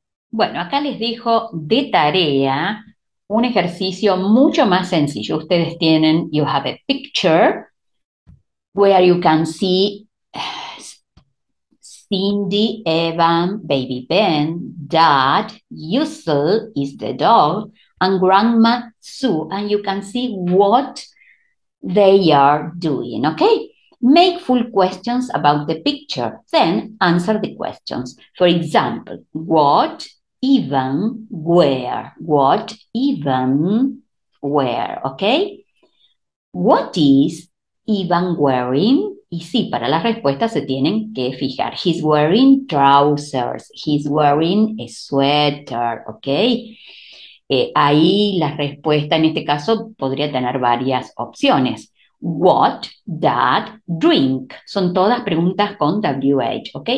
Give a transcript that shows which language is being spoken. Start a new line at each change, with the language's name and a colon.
Spanish: Bueno, acá les dejo de tarea un ejercicio mucho más sencillo. Ustedes tienen,
English: you have a picture where you can see Cindy, Evan, Baby Ben, Dad, Yusel is the dog, and Grandma Sue, and you can see what they are doing, okay? Make full questions about the picture, then answer the questions. For example, what, even, where, what, even, where, okay? What is Ivan wearing?
Spanish: Y sí, para las respuestas se tienen que fijar.
English: He's wearing trousers. He's wearing a sweater,
Spanish: ¿ok? Ahí la respuesta en este caso podría tener varias opciones.
English: What that drink?
Spanish: Son todas preguntas con WH, ¿ok?